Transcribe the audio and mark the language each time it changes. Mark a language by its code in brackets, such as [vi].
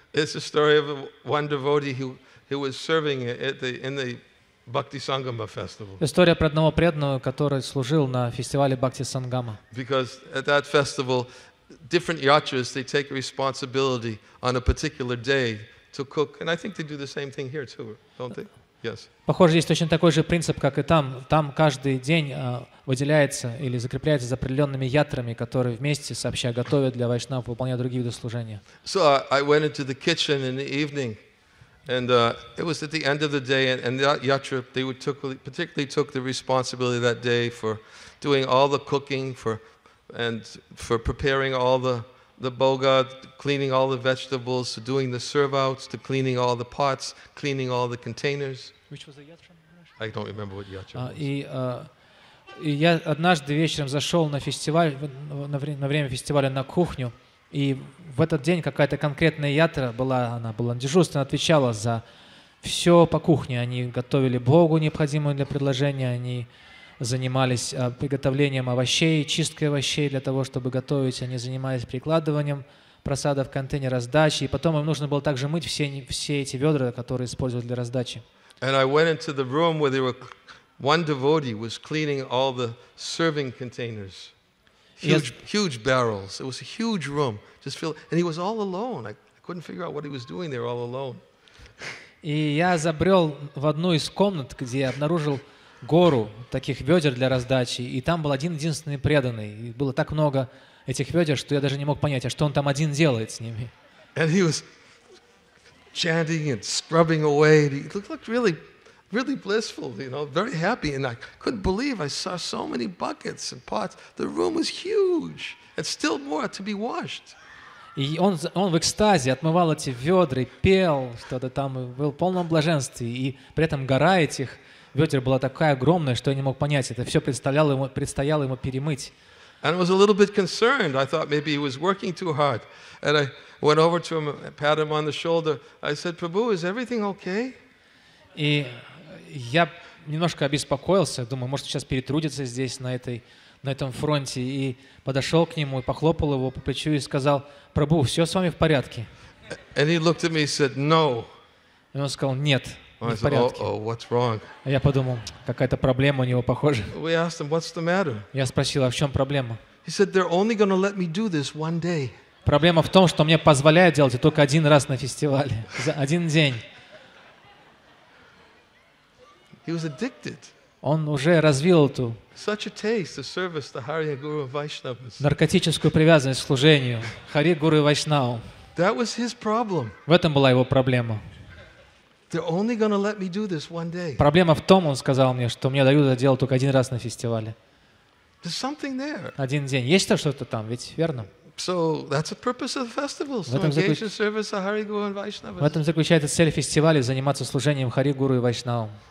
[en] It's a story of one devotee who was serving in the Bhakti Sangama festival. [ru] История про одного преданного, который служил на фестивале Бхакти Сангама. [en] Because at that festival, different yachas they take responsibility on a particular day to cook, and I think they do the same thing here too, don't they? Yes. [ru] Похоже, есть точно такой же принцип, как и там. Там каждый день выделяется или закрепляется за определенными ятрами, которые вместе сообща готовят для вайшнав, выполняя другие виды служения. [en] So I went into the kitchen in the evening, and it was at the end of the day, and that yatra they particularly took the responsibility that day for doing all the cooking for preparing all the boga, cleaning all the vegetables, to doing the serve outs, to cleaning all the pots, cleaning all the containers. Which was the yatra? I don't remember what yatra was. [ru] И я однажды вечером зашел на фестиваль, на время фестиваля на кухню, и в этот день какая-то конкретная ятра была, она была на дежурстве, она отвечала за все по кухне. Они готовили богу необходимую для предложения, они занимались приготовлением овощей, чисткой овощей для того, чтобы готовить. Они занимались прикладыванием просада в контейнер, раздачи. И потом им нужно было также мыть все эти ведра, которые использовали для раздачи. [en] And I went into the room where they were. One devotee was cleaning all the serving containers. Huge barrels. It was a huge room. Just filled. And he was all alone. I couldn't figure out what he was doing there all alone. [ru] И я забрел в одну из комнат, где я обнаружил гору таких ведер для раздачи, и там был один единственный преданный. И было так много этих ведер, что я даже не мог понять, а что он там один делает с ними. [en] And he was chanting and scrubbing away. And he looked really blissful, you know, very happy, and I couldn't believe I saw so many buckets and pots. The room was huge, and still more to be washed. [ru] И он в экстазе отмывал эти ведра, пел что-то там, был в полном блаженстве, и при этом гора этих ведер была такая огромная, что я не мог понять, это все предстояло ему перемыть. [en] And I was a little bit concerned. I thought maybe he was working too hard, and I went over to him, pat him on the shoulder. I said, "Prabhu, is everything okay?" [ru] И я немножко обеспокоился, думаю, может, сейчас перетрудится здесь, на этом фронте, и подошел к нему, и похлопал его по плечу и сказал, «Прабу, все с вами в порядке?» [en] And he looked at me and said, no. [ru] И он сказал, «Нет, не [en] said, [ru] в порядке». [en] Oh, what's wrong? [ru] А я подумал, какая-то проблема у него, похоже. [en] We asked him, what's the matter? [ru] Я спросил, а в чем проблема? [en] He said, they're only gonna let me do this one day. [ru] Проблема в том, что мне позволяют делать это только один раз на фестивале, за один день. [en] He was addicted. [ru] Он уже развил эту [en] such a taste, the service, the Hari Guru Vaishnavas. [ru] Наркотическую привязанность к служению Хари Гуру и Вайшнау. [en] That was his problem. [ru] В этом была его проблема. [en] They're only going to let me do this one day. [ru] Проблема в том, он сказал мне, что мне дают это делать только один раз на фестивале. [en] There's something there. [ru] Один день. Есть там что-то там, ведь верно? [en] So that's the purpose of the festival. So engage in service of Hari Guru and Vaishnavas. [ru] В этом заключается цель фестиваля — заниматься служением Хари Гуру и Вайшнау.